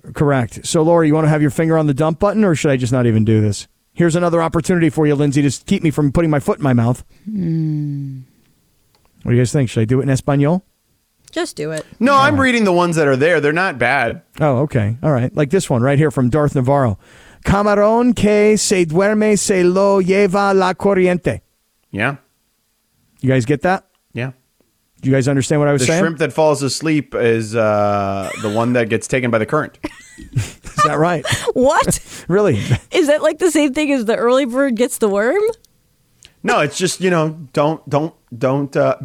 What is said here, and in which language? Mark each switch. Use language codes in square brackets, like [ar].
[en] Correct. So, Laura, you want to have your finger on the dump button, or should I just not even do this? Here's another opportunity for you, Lindsay, to keep me from putting my foot in my mouth. Mm. What do you guys think? Should I do it in Espanol? Just do it. No, I'm reading the ones that are there. They're not bad. Oh, okay. All right. Like this one right here from Darth Navarro. [es] Camarón que se duerme se lo lleva la corriente. [en] Yeah. You guys get that? Yeah. Do you guys understand what I was saying? The shrimp that falls asleep is the one that gets taken by the current. Is that right? What? Really? Is that like the same thing as the early bird gets the worm? No, it's just, you know, don't.